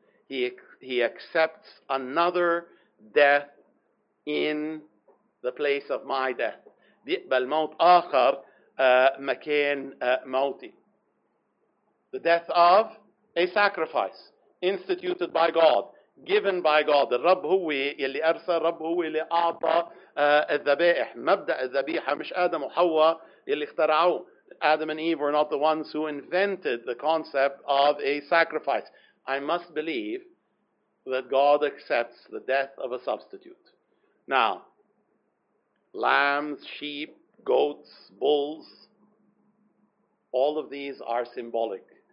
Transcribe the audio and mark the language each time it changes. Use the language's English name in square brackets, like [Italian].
[English] He accepts another death in the place of my death. [Arabic] بيقبل موت آخر مكان موتي. [English] The death of a sacrifice instituted by God, given by God. [Arabic] الرب هو يلي أرسل, الرب هو يلي أعطى الذبائح. مبدأ الذبيحة مش آدم وحواء يلي اخترعوه. [English] Adam and Eve were not the ones who invented the concept of a sacrifice. I must believe that God accepts the death of a substitute. Now, lambs, sheep, goats, bulls, all of these are symbolic.